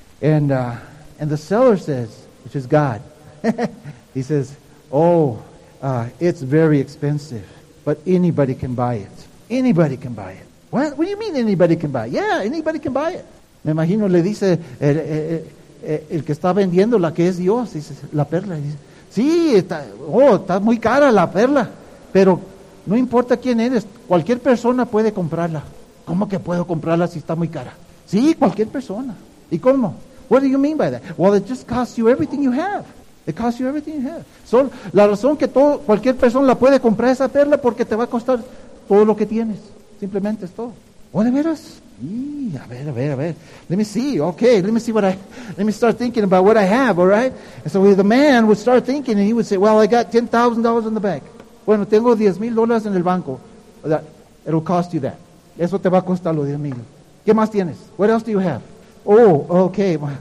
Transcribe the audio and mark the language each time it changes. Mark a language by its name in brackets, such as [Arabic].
[English] And the seller says, which is God, he says, it's very expensive, but anybody can buy it. Anybody can buy it. What? What do you mean anybody can buy it? Yeah, anybody can buy it. [Spanish] Me imagino le dice el que está vendiendo la que es Dios, dice, la perla. Dice, sí, está muy cara la perla, pero no importa quién eres, cualquier persona puede comprarla. ¿Cómo que puedo comprarla si está muy cara? Sí, cualquier persona. ¿Y cómo? [English] What do you mean by that? Well, it just costs you everything you have. It costs you everything you have. [Spanish] So, la razón que cualquier persona la puede comprar esa perla porque te va a costar todo lo que tienes. Simplemente es todo. ¿O de veras? Sí, a ver. [English] Let me see. Okay, let me see let me start thinking about what I have, all right? And so the man would start thinking and he would say, well, I got $10,000 in the bank. [Spanish] Bueno, tengo $10,000 en el banco. [English] It'll cost you that. [Spanish] Eso te va a costar los 10,000. ¿Qué más tienes? [English] What else do you have? Oh, okay.